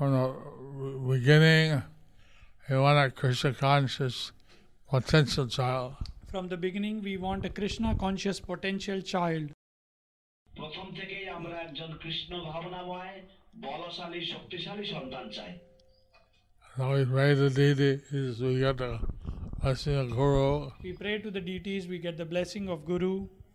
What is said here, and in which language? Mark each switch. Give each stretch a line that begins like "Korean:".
English: from the beginning we want a krishna conscious potential child from the beginning we want a krishna conscious potential child
Bangla: প্রথম থেকেই আমরা একজন কৃষ্ণ ভাবনাময় বলশালী শক্তিশালী সন্তান চাই
English: Now we pray the deities, we get the blessing of Guru. We pray to the deities, we get the blessing of Guru.